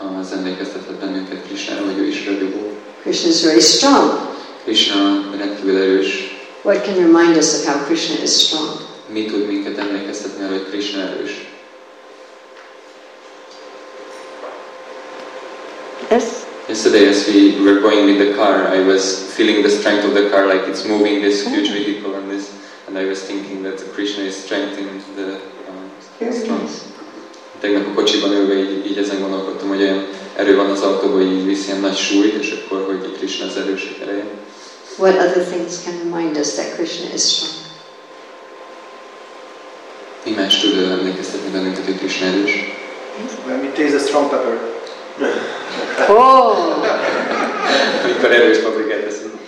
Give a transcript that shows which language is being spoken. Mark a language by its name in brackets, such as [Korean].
[Hungarian] Az emlékeztetett bennünket Krishna, hogy ő is ragyogó. [English] Krishna is very strong. [Hungarian] Krishna rendkívül erős. [English] What can remind us of how Krishna is strong? [Hungarian] Mi tud minket emlékeztetni arra, hogy Krishna erős? [English] Yes. Yesterday as we were going with the car, I was feeling the strength of the car, like it's moving this huge vehicle and this, and I was thinking that Krishna is strengthening the strong. [Hungarian] Tegnap a kocsiban ülve így ezen gondolkodtam, hogy olyan erő van az autóban, hogy így viszi ilyen nagy súlyt, és akkor, hogy Krishna Krishna az erősek ereje. [English] What other things can remind us that Krishna is strong? [Hungarian] Mi más tud emlékeztetni bennünket, hogy Krishna erős? [English] When we taste a strong pepper. Oh! [Hungarian] Mikor erős paprikát teszünk.